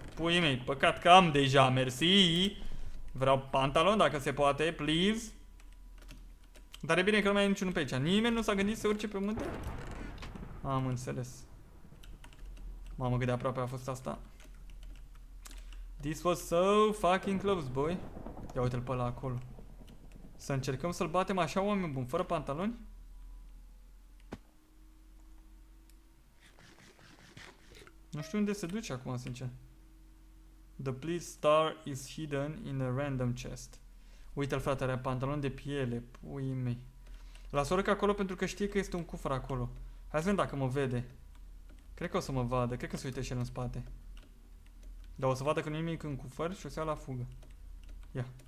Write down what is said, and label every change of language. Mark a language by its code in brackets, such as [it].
[ro] Puii mei, păcat că am deja, mersi. Vreau pantalon dacă se poate, please. Dar e bine că nu mai e niciunul pe aici. Nimeni nu s-a gândit să urce pe munte? Am înțeles. Mamă, cât de aproape a fost asta. [en] This was so fucking close, boy. [ro] Ia uite-l pe ăla acolo. Să încercăm să-l batem așa, oameni buni, fără pantaloni? Nu știu unde se duce acum, sincer. [en] The please star is hidden in a random chest. [ro] Uite-l, frate, are pantaloni de piele, puii mei. Lasă-o oric acolo pentru că știe că este un cufăr acolo. Hai să vedem dacă mă vede. Cred că o să mă vadă, cred că se uite și el în spate. Dar o să vadă că nu-i nimic în cufăr și o să ia la fugă. Ia.